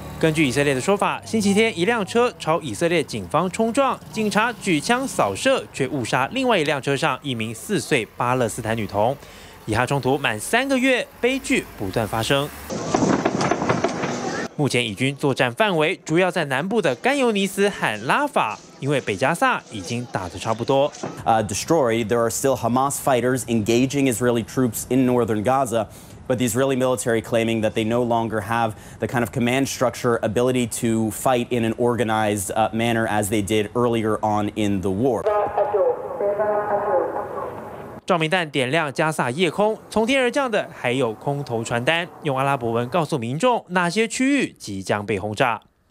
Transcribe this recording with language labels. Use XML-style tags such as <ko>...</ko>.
<zh>根据以色列的说法，星期天一辆车朝以色列警方冲撞，警察举枪扫射，却误杀另外一辆车上一名4岁巴勒斯坦女童。以哈冲突满3个月，悲剧不断发生。目前以军作战范围主要在南部的甘尤尼斯和拉法，因为北加萨已经打得差不多。</zh> <en>Destroyed. There are still Hamas fighters engaging Israeli troops in northern Gaza, but the Israeli military claiming that they no longer have the kind of command structure ability to fight in an organized manner as they did earlier on in the war.</en> <zh>照明弹点亮加萨夜空，从天而降的还有空投传单，用阿拉伯文告诉民众哪些区域即将被轰炸。</zh>